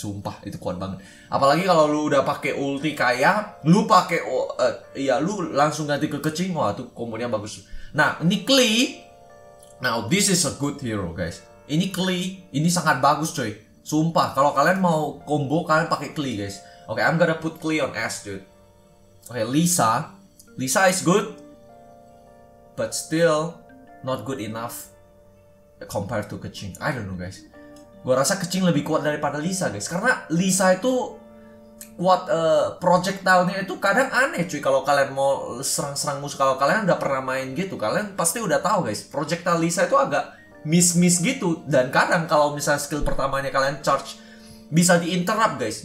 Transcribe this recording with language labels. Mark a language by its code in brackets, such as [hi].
[id] Sumpah, itu kuat banget. Apalagi kalau lu udah pakai ulti Kaya, lu pakai ya lu langsung ganti ke kecing, wah itu kombonya bagus. Nah, ini Klee. [en] Now this is a good hero, guys. [id] Ini Klee, ini sangat bagus, cuy. Sumpah, kalau kalian mau combo kalian pakai Klee, guys. [en] Oke, okay, I'm gonna put Klee on S, dude. Oke, okay, Lisa. Lisa is good, but still not good enough compared to kecing. I don't know guys. [id] Gua rasa kecing lebih kuat daripada Lisa guys. Karena Lisa itu kuat projectile-nya itu kadang aneh cuy. Kalau kalian mau serang-serang musuh, kalau kalian udah pernah main gitu, kalian pasti udah tahu guys. Projectile Lisa itu agak miss-miss gitu. Dan kadang kalau misalnya skill pertamanya kalian charge, bisa di-interrupt guys.